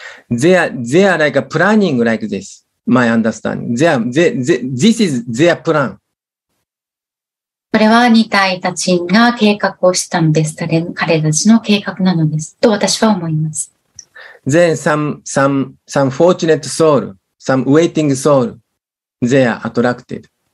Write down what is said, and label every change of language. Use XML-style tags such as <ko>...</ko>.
<en>They are like a planning like this, my understanding. This is their plan.</en> <ja>これは二体たちが計画をしたんです。彼たちの計画なのです。と私は思います。</ja> <en>Then some fortunate soul, some waiting soul, they are attracted.</en>